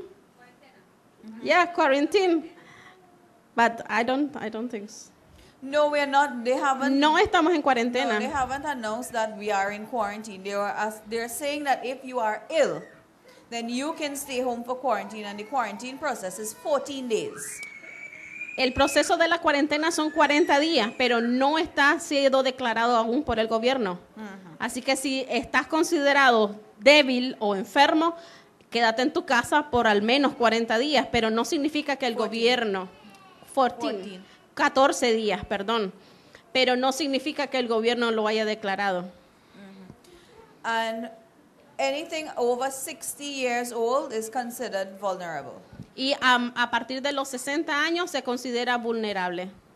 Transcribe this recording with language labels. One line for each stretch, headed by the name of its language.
English: Mm-hmm. Yeah, quarantine. But I don't think so. No, we are not. They haven't.
Spanish: No estamos en cuarentena.
English: No, they haven't announced that we are in quarantine. They're saying that if you are ill, then you can stay home for quarantine, and the quarantine process is 14 days.
Spanish: El proceso de la cuarentena son 40 días, pero no está siendo declarado aún por el gobierno. Uh-huh. Así que si estás considerado débil o enfermo, quédate en tu casa por al menos 40 días, pero no significa que el 14 días, perdón. Pero no significa que el gobierno lo haya declarado. Uh-huh.
English: And anything over 60 years old is considered vulnerable.
Spanish: Y a partir de los 60 años se considera vulnerable.